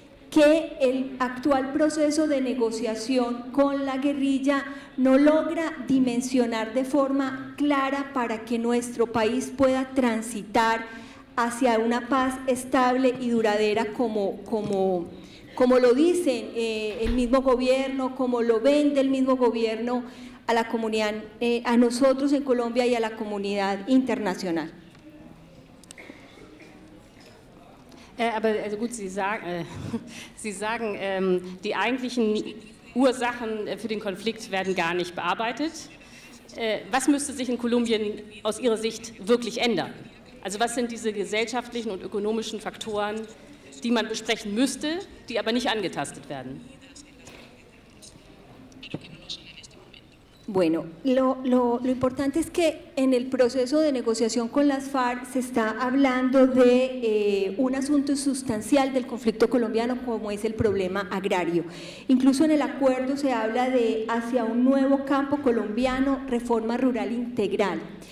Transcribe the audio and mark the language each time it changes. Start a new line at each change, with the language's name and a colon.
Spanish: que el actual proceso de negociación con la guerrilla no logra dimensionar de forma clara para que nuestro país pueda transitar hacia una paz estable y duradera como lo dicen el mismo gobierno, como lo vende el mismo gobierno a la comunidad, a nosotros en Colombia y a la comunidad internacional.
German: Aber also gut, Sie sagen, die eigentlichen Ursachen für den Konflikt werden gar nicht bearbeitet. Was müsste sich in Kolumbien aus Ihrer Sicht wirklich ändern? Also was sind diese gesellschaftlichen und ökonomischen Faktoren, die man besprechen müsste, die aber nicht angetastet werden?
Spanish: Bueno, lo importante es que en el proceso de negociación con las FARC se está hablando de un asunto sustancial del conflicto colombiano como es el problema agrario. Incluso en el acuerdo se habla de hacia un nuevo campo colombiano, reforma rural integral.